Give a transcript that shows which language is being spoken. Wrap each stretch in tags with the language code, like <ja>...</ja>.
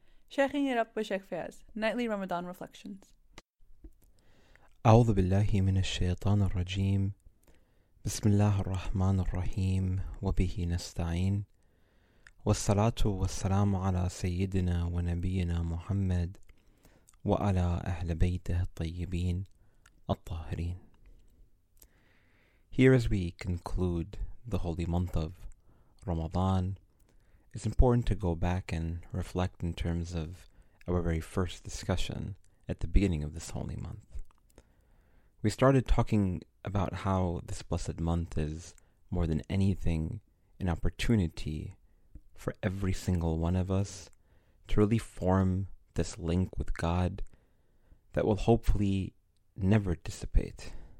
<en>Sheikhing it up with Sheikh Fayaz, nightly Ramadan reflections.</en> <ar>أعوذ بالله من الشيطان الرجيم بسم الله الرحمن الرحيم وبه نستعين والصلاة والسلام على سيدنا ونبينا محمد وعلى أهل بيته الطيبين الطاهرين.</ar> <en>Here as we conclude the holy month of Ramadan, it's important to go back and reflect in terms of our very first discussion at the beginning of this holy month. We started talking about how this blessed month is, more than anything, an opportunity for every single one of us to really form this link with God that will hopefully never dissipate.</en>